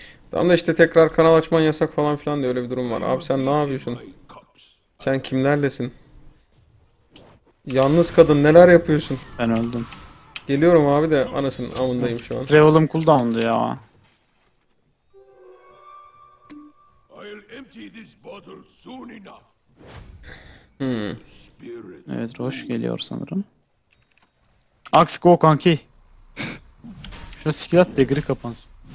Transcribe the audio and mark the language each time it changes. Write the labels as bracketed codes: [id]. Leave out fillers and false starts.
[tr] Tamam da işte tekrar kanal açman yasak falan filan diye öyle bir durum var. Abi sen ne yapıyorsun? Sen kimlerlesin? Yalnız kadın neler yapıyorsun? Ben öldüm. Geliyorum abi de anasının amındayım şu an. Travel'ım cooldown'du ya. [en] I'll empty this bottle soon enough. [tr] Evet, Roche geliyor sanırım. Axe go kanki. Şu skill at degri kapansın.